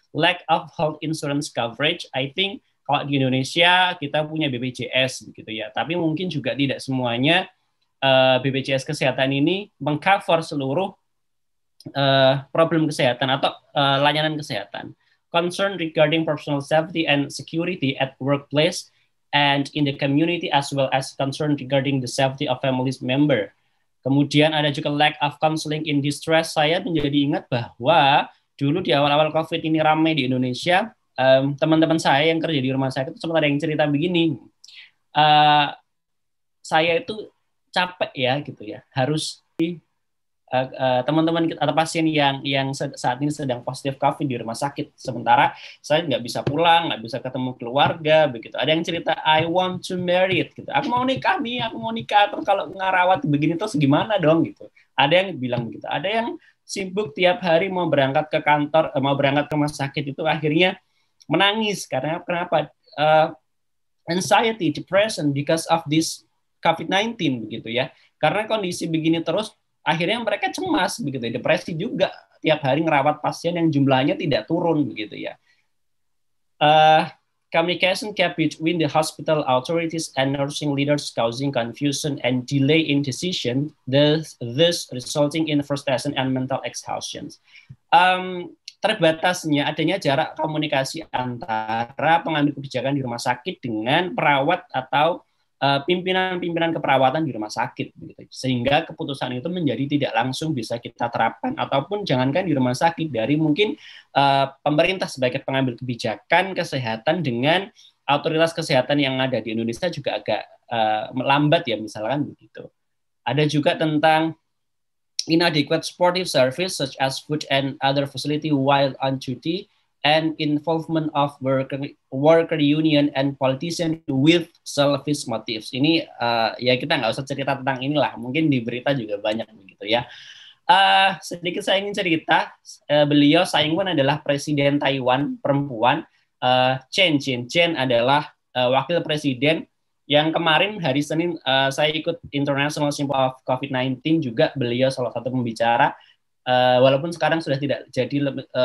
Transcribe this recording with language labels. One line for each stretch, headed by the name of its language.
English: Lack of health insurance coverage, I think,
Indonesian: kalau di Indonesia kita punya BPJS, gitu ya. Tapi mungkin juga tidak semuanya BPJS kesehatan ini meng-cover seluruh problem kesehatan atau layanan kesehatan.
English: Concern regarding personal safety and security at workplace and in the community as well as concern regarding the safety of family member.
Indonesian: Kemudian ada juga
English: lack of counseling in distress.
Indonesian: Saya menjadi ingat bahwa dulu di awal-awal COVID ini ramai di Indonesia, teman-teman saya yang kerja di rumah sakit sempat ada yang cerita begini, saya itu capek ya gitu ya, harus teman-teman atau pasien yang saat ini sedang positif COVID di rumah sakit, sementara saya nggak bisa pulang, nggak bisa ketemu keluarga, begitu. Ada yang cerita,
English: I want to marry it,
Indonesian: gitu. Aku mau nikah nih, aku mau nikah, terus kalau ngerawat begini terus gimana dong, gitu. Ada yang bilang begitu, ada yang sibuk tiap hari mau berangkat ke kantor, mau berangkat ke rumah sakit itu akhirnya menangis, karena kenapa?
English: Anxiety, depression because of this COVID-19,
Indonesian: begitu ya. Karena kondisi begini terus, akhirnya mereka cemas, begitu, depresi juga tiap hari ngerawat pasien yang jumlahnya tidak turun, begitu ya.
English: Communication gap between the hospital authorities and nursing leaders causing confusion and delay in decision, this resulting in frustration and mental exhaustion.
Indonesian: Terbatasnya adanya jarak komunikasi antara pengambil kebijakan di rumah sakit dengan perawat atau pimpinan-pimpinan keperawatan di rumah sakit, begitu. Sehingga keputusan itu menjadi tidak langsung bisa kita terapkan, ataupun jangankan di rumah sakit, dari mungkin pemerintah sebagai pengambil kebijakan kesehatan dengan otoritas kesehatan yang ada di Indonesia juga agak lambat ya, misalkan begitu. Ada juga tentang
English: inadequate supportive service such as food and other facility while on duty and involvement of worker union and politician with selfish motives.
Indonesian: Ini ya kita nggak usah cerita tentang inilah, mungkin di berita juga banyak begitu ya. Sedikit saya ingin cerita, beliau Tsai Ing-wen adalah presiden Taiwan perempuan, Chen adalah wakil presiden yang kemarin hari Senin saya ikut International Symposium of COVID-19 juga, beliau salah satu pembicara, walaupun sekarang sudah tidak jadi